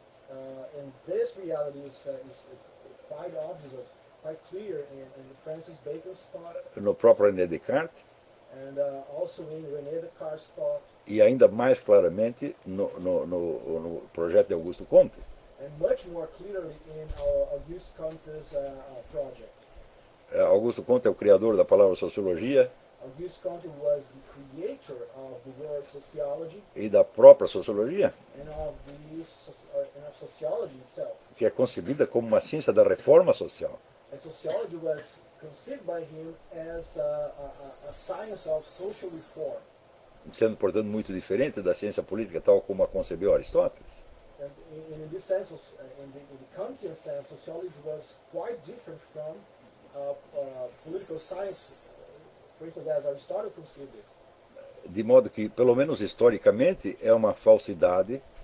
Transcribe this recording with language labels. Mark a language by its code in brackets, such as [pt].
[en] And this reality is quite obvious, quite clear in Francis Bacon's thought. [pt] No próprio René Descartes. [en] And also in René Descartes' thought. [pt] E ainda mais claramente no projeto de Augusto Comte. [en] And much more clearly in Auguste Comte's project. [pt] Augusto Comte é o criador da palavra sociologia. [en] Auguste Comte was the creator of the word sociology. [pt] E da própria sociologia. [en] And of the and of sociology itself. [pt] Que é concebida como uma ciência da reforma social. [en] And sociology was conceived by him as a science of social reform. [pt] Sendo, portanto, muito diferente da ciência política tal como a concebeu Aristóteles. [en] In this sense, in the Kantian sense, sociology was quite different from political science, for instance, as Aristotle conceived it. [pt] De modo que, pelo menos historicamente, é uma falsidade.